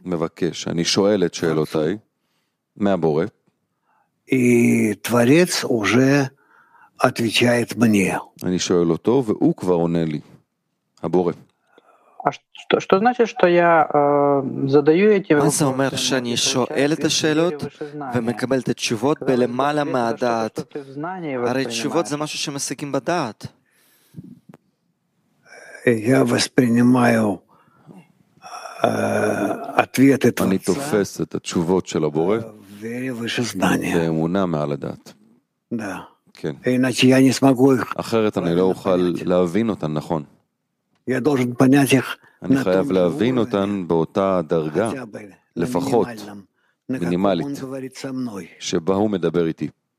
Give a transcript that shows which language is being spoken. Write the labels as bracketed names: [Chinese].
[Hebrew] מבקש, אני שואל את שאלותיי, מהבורא, [Russian] и Творец уже отвечает мне. [Hebrew] אני שואל אותו, והוא כבר עונה לי, הבורא. [Russian] А что, что значит, что я задаю эти вопросы? [Hebrew] מה זה אומר שאני שואל את השאלות ומקבל את התשובות בלמעלה מהדעת? הרי תשובות זה משהו שמשיגים בדעת. [Russian] Я воспринимаю ответы Творца. [Hebrew] אני תופס את התשובות של הבורא. [Russian] Вере выше знания. [Hebrew] באמונה מעל הדעת. [Russian] Да. [Hebrew] כן. [Russian] Иначе я не смогу их. [Hebrew] אחרת אני לא אוכל להבין אותן, נכון. [Russian] Я должен понять их. [Hebrew] אני חייב להבין אותן באותה דרגה, לפחות מינימלית, שבה הוא מדבר איתי.